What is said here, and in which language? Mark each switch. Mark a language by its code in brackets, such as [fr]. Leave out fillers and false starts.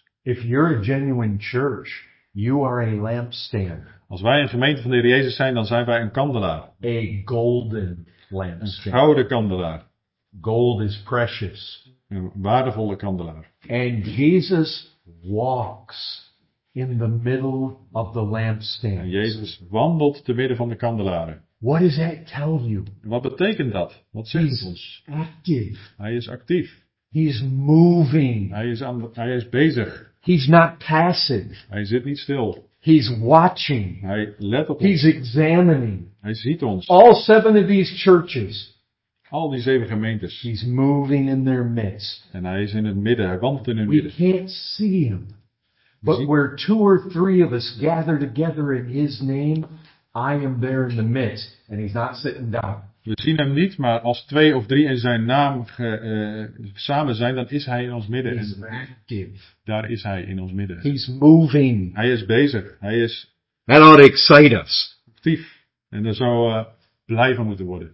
[en] If you're a genuine church, you are a lampstand. [nl] Als wij een gemeente van de Heer Jezus zijn, dan zijn wij een kandelaar. [en] A golden lampstand. [nl] Een gouden kandelaar. [en] Gold is precious. [nl] Een waardevolle kandelaar. [en] And Jesus walks in the middle of the lampstand. [nl] En Jezus wandelt te midden van de kandelaren. [en] What does that tell you? [nl] Wat betekent dat? Wat zegt het ons? [en] Active. [nl] Hij is actief. [en] He's moving. [nl] Hij is bezig. [en] He's not passive. [nl] Hij zit niet stil. [en] He's watching. [nl] Hij let op [en] He's examining. [nl] Hij ziet ons. [en] All seven of these churches. [nl] Al die zeven gemeentes. [en] He's moving in their midst. [nl] En hij is in het midden. Hij wandelt in hun midden. [en] We can't see him. But where two or three of us gather together in his name, I am there in the midst. And he's not sitting down. [nl] We zien hem niet, maar als twee of drie in zijn naam samen zijn, dan is hij in ons midden. [en] He's active. [nl] Daar is hij in ons midden. [en] He's moving. [nl] Hij is bezig. Hij is [en] That ought to excite us. [nl] Actief. En dan zou... blijven moeten worden.